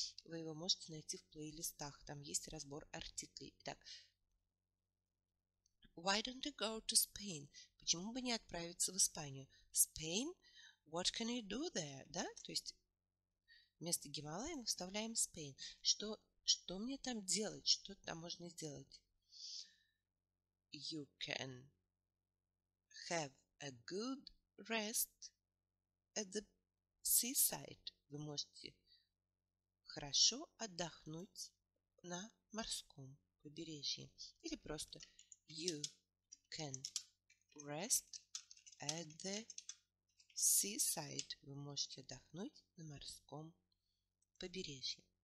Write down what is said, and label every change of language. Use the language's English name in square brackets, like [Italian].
[Russian] Вы его можете найти в плейлистах. Там есть разбор артиклей. [English] Итак, why don't you go to Spain? [Russian] Почему бы не отправиться в Испанию? [English] Spain? What can you do there? [Russian] Да, то есть вместо Гималая мы вставляем Spain. Что мне там делать? Что там можно сделать? [English] You can have a good rest at the seaside. [Russian] Вы можете хорошо отдохнуть на морском побережье. Или просто [English] you can rest at the seaside. [Russian] Вы можете отдохнуть на морском побережье.